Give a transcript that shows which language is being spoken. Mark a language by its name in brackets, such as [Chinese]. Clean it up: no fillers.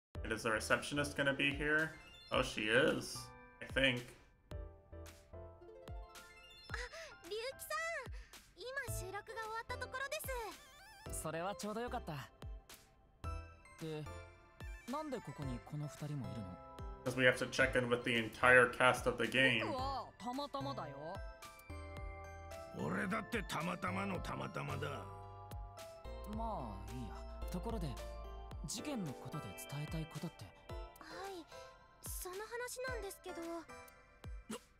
[English] Is the receptionist gonna be here? Oh, she is, I think. [Japanese] あ、リュウキさん、今収録が終わったところです。それはちょうどよかった。で、なんでここにこの二人もいるの？ [English] Because we have to check in with the entire cast of the game. [Japanese] 僕はたまたまだよ。俺だってたまたまのたまたまだ。まあいいや。ところで、事件のことで伝えたいことって。はい、その話なんですけど。